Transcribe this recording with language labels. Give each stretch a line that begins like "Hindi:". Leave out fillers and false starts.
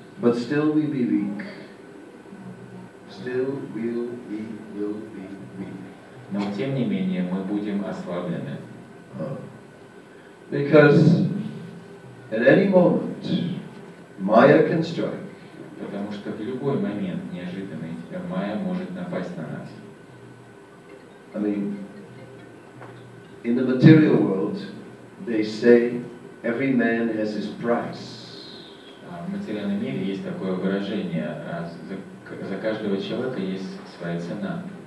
English: But still we be weak. Still we will be weak.
Russian: Но тем не менее мы будем ослаблены.
English: Because at any moment Maya can strike.
Russian: Потому что в любой момент неожиданно Maya может напасть на нас.
English: I mean, in the material world, they say every man has his price.
Russian: В материальном мире есть такое выражение: за каждого человека есть своя цена.